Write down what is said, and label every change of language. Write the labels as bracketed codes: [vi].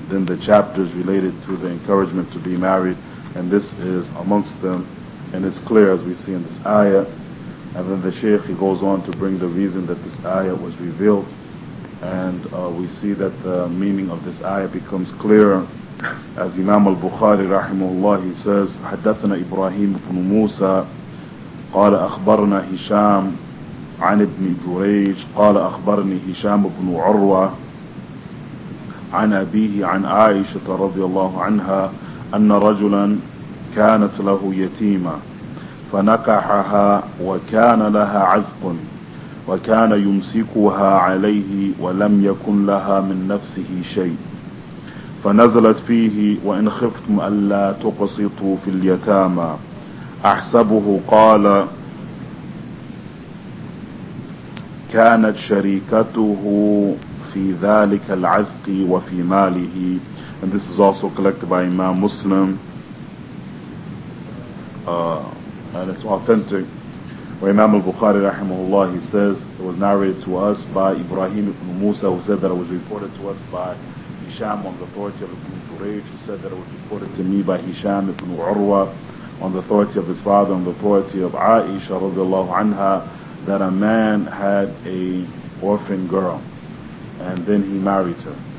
[en] Then the chapters related to the encouragement to be married, and this is amongst them, and it's clear as we see in this ayah. And then the Shaykh, he goes on to bring the reason that this ayah was revealed, and we see that the meaning of this ayah becomes clearer. As Imam al-Bukhari rahimahullah, he says, [ar] حَدَّثَنَا إِبْرَاهِيمُ بْنُ مُوسَى قَالَ أَخْبَرْنَا هِشَامُ عن ابن جريج قال أخبرني هشام بن عروة عن أبيه عن عائشة رضي الله عنها أن رجلا كانت له يتيمة فنكحها وكان لها عتق و وكان يمسكها عليه ولم يكن لها من نفسه شيء فنزلت فيه وإن خفتم ألا تقسطوا في اليتامى أحسبه قال كانت شريكته في ذلك العتق وفي ماله. [en] And this is also collected by Imam Muslim, and it's authentic. Where Imam al-Bukhari rahimahullah, he says it was narrated to us by Ibrahim ibn Musa, who said that it was reported to us by Hisham on the authority of Ibn Quraysh, who said that it was reported to me by Hisham ibn Urwa on the authority of his father, on the authority of Aisha radiallahu anha, that a man had an orphan girl and then he married her.